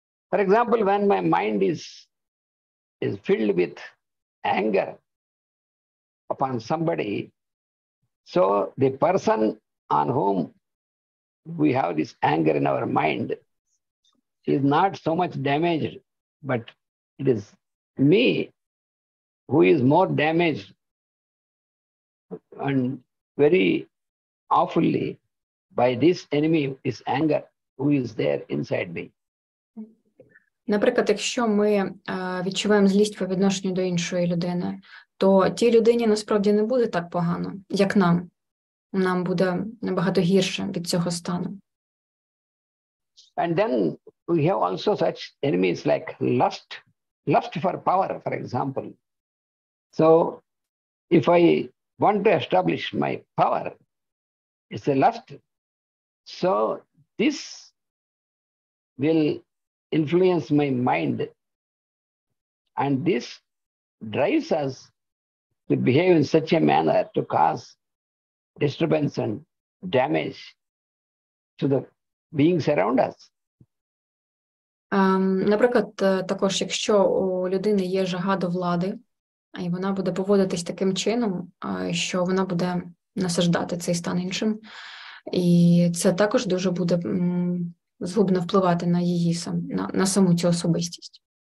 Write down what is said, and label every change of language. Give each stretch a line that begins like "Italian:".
English: For example, when my mind is filled with anger upon somebody, so the person on whom we have this anger in our mind is not so much damaged, but it is me who is more damaged and very awfully by this enemy, this anger, who is there inside me.
Ukrainian: Наприклад, якщо ми відчуваємо злість по відношенню до іншої людини, то тій людині насправді не буде так погано, як нам. Нам буде набагато гірше від цього стану.
English: And then we have also such enemies like lust for power, for example. So if I want to establish my power, it's a lust. So this will influence my mind. And this drives us to behave in such a manner to cause disturbance and damage to the beings around us.
Ukrainian: Наприклад, також, якщо у людини є жага до влади, і вона буде поводитись таким чином, що вона буде насаждати цей стан іншим, і це також дуже буде згубно впливати на її на саму цю особистість.